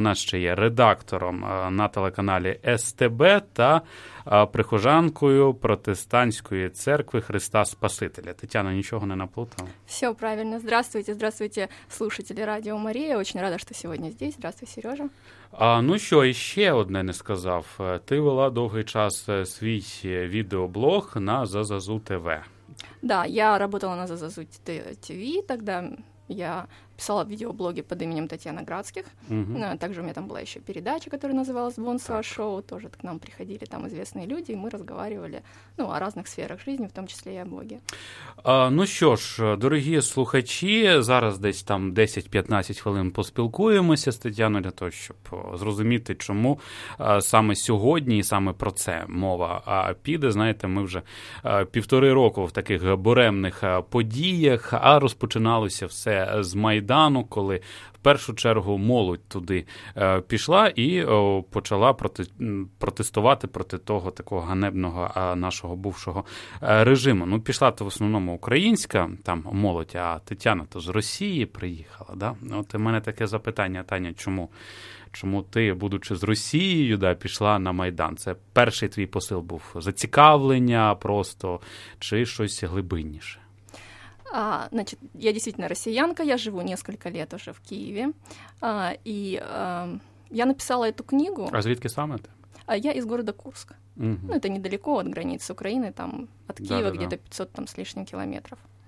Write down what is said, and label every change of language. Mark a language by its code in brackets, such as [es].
[uk] Вона ще є редактором на телеканалі СТБ та прихожанкою протестантської церкви Христа Спасителя. Тетяна, нічого не наплутала? Все правильно. [ru] Здравствуйте, здравствуйте, слушатели Радіо Марія. Очень рада, [uk] що сьогодні [ru] здесь. Здравствуй, Сережа. [uk] Ну що, ще одне не сказав. Ти вела довгий час свій відеоблог на ЗАЗАЗУ ТВ. [ru] Да, я работала на ЗАЗАЗУ ТВ, тогда я писала видеоблоги под именем Татьяна Градских. Угу. Также у меня там была еще передача, которая называлась «Бонсуа Шоу». Тоже к нам приходили там известные люди, и мы разговаривали, ну, о разных сферах жизни, в том числе и о Боге. [uk] Ну що ж, дорогі слухачі, зараз десь там 10-15 хвилин поспілкуємося з Тетяною для того, щоб зрозуміти, чому саме сьогодні і саме про це мова піде. Знаєте, ми вже півтори року в таких буремних подіях, а розпочиналося все з Майдану, коли в першу чергу молодь туди пішла і почала протестувати проти того такого ганебного нашого бувшого режиму. Ну, пішла-то в основному українська там молодь, а Тетяна-то з Росії приїхала, да? От у мене таке запитання, Таня, чому ти, будучи з Росією, да, пішла на Майдан? Це перший твій посил був? Зацікавлення просто чи щось глибинніше? [ru] Значит, я действительно россиянка, я живу несколько лет уже в Киеве, и я написала эту книгу. [uk] А звідки саме ты? [ru] Я из города Курск. Угу. Ну, это недалеко от границы Украины, там от Киева, да, да, где-то 500 там, с лишним километров.